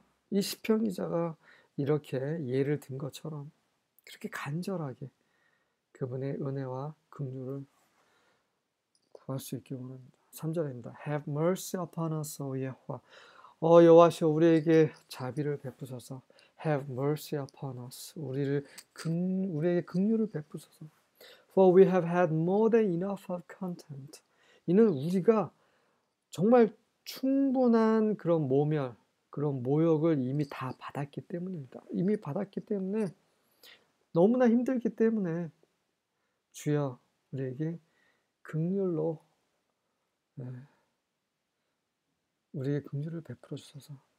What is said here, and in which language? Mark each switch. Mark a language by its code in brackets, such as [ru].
[ko] 이 시편 기자가 이렇게 예를 든 것처럼 그렇게 간절하게 그분의 은혜와 긍휼을 구할 수 있기 원합니다. 3절입니다. [en] Have mercy upon us, O Yehovah. [ko] 어 여호와시여 우리에게 자비를 베푸소서. [en] Have mercy upon us. [ko] 우리에게 긍휼을 베푸소서. [en] For we have had more than enough of content. [ko] 이는 우리가 정말 충분한 그런 모멸, 그런 모욕을 이미 다 받았기 때문입니다. 이미 받았기 때문에 너무나 힘들기 때문에 주여 우리에게 긍휼로 우리의 긍휼을 베풀어 주셔서